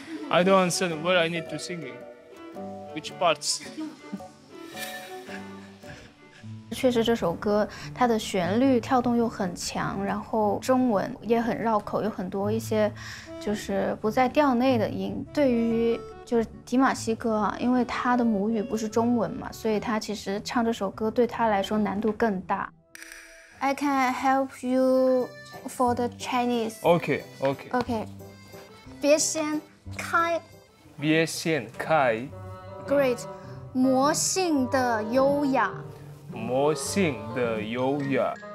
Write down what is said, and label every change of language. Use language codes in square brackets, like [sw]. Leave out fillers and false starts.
[en] I don't understand where I need to sing it. Which parts? [zh] 确实，这首歌它的旋律跳动又很强，然后中文也很绕口，有很多一些就是不在调内的音。对于就是迪玛希哥啊，因为他的母语不是中文嘛，所以他其实唱这首歌对他来说难度更大。 [en] I can help you for the Chinese. Okay, okay. [zh] Okay. 别先开。别先开。 Great. 魔性的优雅。魔性的优雅。